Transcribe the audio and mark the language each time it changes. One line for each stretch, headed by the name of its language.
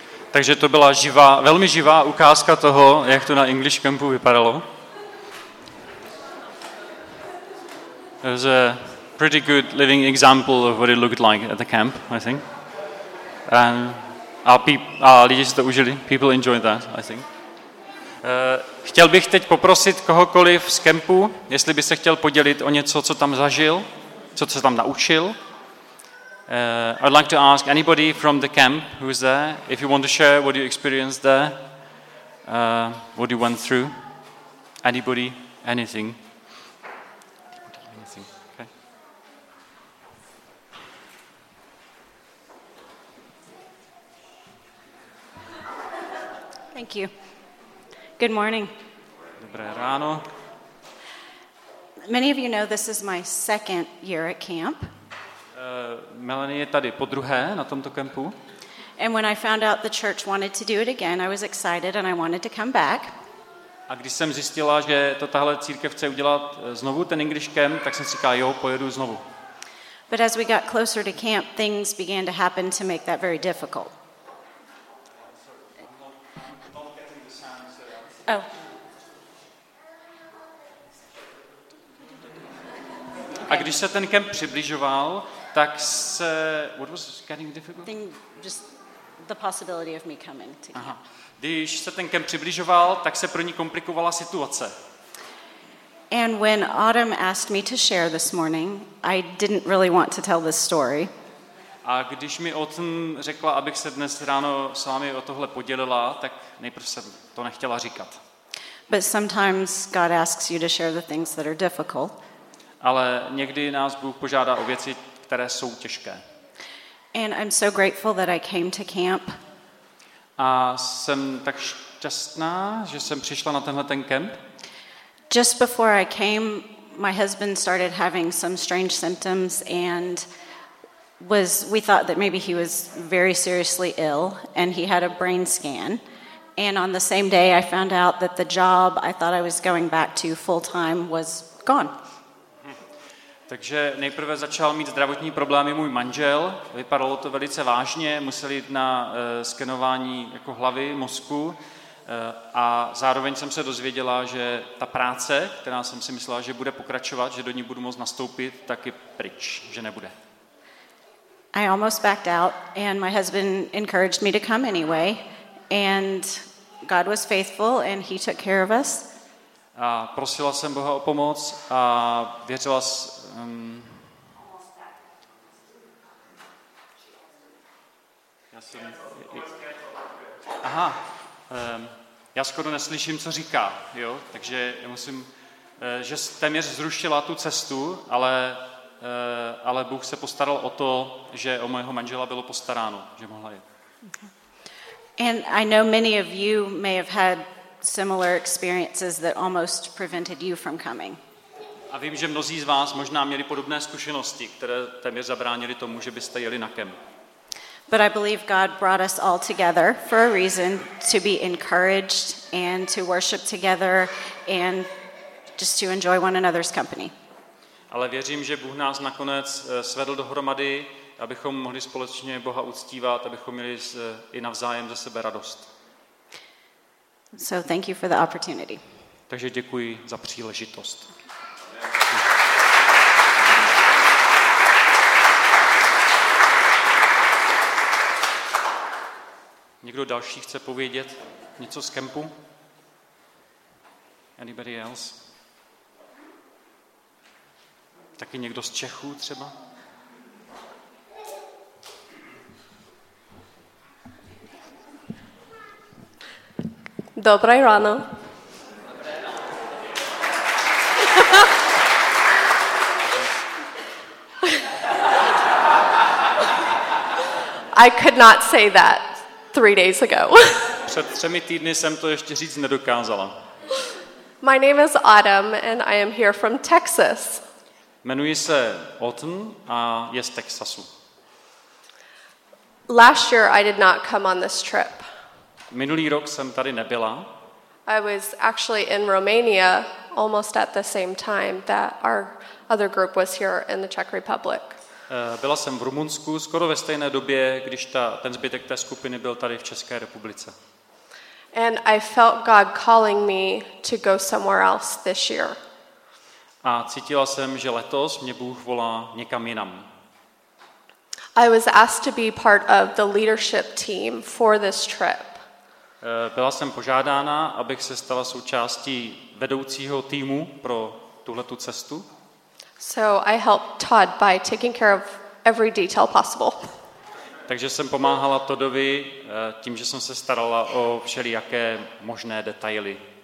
Czech: Takže to byla živá, velmi živá ukázka toho, jak to na English Campu vypadalo.
English: It was a pretty good living example of what it looked like at the camp, I think. And
Czech: lidi si to užili.
English: People enjoyed that, I think.
Czech: Chtěl bych teď poprosit kohokoliv z kempu, jestli by se chtěl podělit o něco, co tam zažil, co se tam naučil.
English: I'd like to ask anybody from the camp who's there, if you want to share what you experienced there, what you went through, anybody, anything. Thank you. Good morning.
Czech: Dobré ráno.
English: Many of you know this is my second year at camp.
Czech: Melanie je tady po druhé na tomto kempu.
English: And when I found out the church wanted to do it again, I was excited and I wanted to come back.
Czech: A když jsem zjistila, že to tahle církev chce udělat znovu ten English camp, tak jsem si říkala, jo, pojedu znovu.
English: But as we got closer to camp, things began to happen to make that very difficult. Oh.
Czech: Okay. A když se ten kemp přibližoval, tak se
English: what was getting difficult? Thing, just the possibility of me coming to camp.
Czech: Když se ten kemp přibližoval, tak se pro ní komplikovala situace.
English: And when Autumn asked me to share this morning, I didn't really want to tell this story.
Czech: A když mi Autumn řekla, abych se dnes ráno s vámi o tohle podělila, tak nejprve jsem to nechtěla říkat.
English: But sometimes God asks you to share the things that are difficult.
Czech: Ale někdy nás Bůh požádá o věci, které jsou těžké.
English: And I'm so grateful that I came to camp.
Czech: A jsem tak šťastná, že jsem přišla na tenhle ten kemp.
English: Just before I came, my husband started having some strange symptoms and we thought that maybe he was very seriously ill and he had a brain scan. And on the same day I found out that the job I thought I was going back to full time was gone.
Czech: Takže nejprve začal mít zdravotní problémy můj manžel. Vypadalo to velice vážně, museli jít na skenování jako hlavy, mozku. A zároveň jsem se dozvěděla, že ta práce, která jsem si myslela, že bude pokračovat, že do ní budu moct nastoupit, tak je pryč, že nebude.
English: I almost backed out and my husband encouraged me to come anyway. And God was faithful and he took care of us.
Czech: A prosila jsem Boha o pomoc a věřila jsem... Já skoro neslyším, co říká, jo? Takže musím, že téměř zrušila tu cestu, ale Bůh se postaral o to, že o mojeho manžela bylo postaráno, že mohla jít.
English: And I know many of you may have had similar experiences that almost prevented you from coming.
Czech: A vím, že mnozí z vás možná měli podobné zkušenosti, které téměř zabránily tomu, že byste jeli na kemp.
English: But I believe God brought us all together for a reason to be encouraged and to worship together and just to enjoy one another's company.
Czech: Ale věřím, že Bůh nás nakonec svedl dohromady, abychom mohli společně Boha uctívat, abychom měli i navzájem ze sebe radost.
English: So thank you for the opportunity.
Czech: Takže děkuji za příležitost. Někdo další chce povědět něco z kempu?
English: Anybody else?
Czech: Taky někdo z Čechů třeba? Dobré ráno.
English: I could not say that 3 days ago.
Czech: Před třemi týdny jsem to ještě říct nedokázala.
English: My name is Autumn and I am here from Texas.
Czech: Jmenuji se Autumn a je z Texasu.
English: Last year I did not come on this trip.
Czech: Minulý rok jsem tady nebyla.
English: I was actually in Romania almost at the same time that our other group was here in the Czech Republic.
Czech: Byla jsem v Rumunsku skoro ve stejné době, když ten zbytek té skupiny byl tady v České republice.
English: And I felt God calling me to go somewhere else this year.
Czech: A cítila jsem, že letos mě Bůh volá někam jinam.
English: I was asked to be part of the leadership team for this trip.
Czech: Byla jsem požádána, abych se stala součástí vedoucího týmu pro tuhletu cestu.
English: So I helped Todd by taking care of every detail possible.
Czech: Takže jsem pomáhala Toddovi tím, že jsem se starala o všelijaké možné detaily.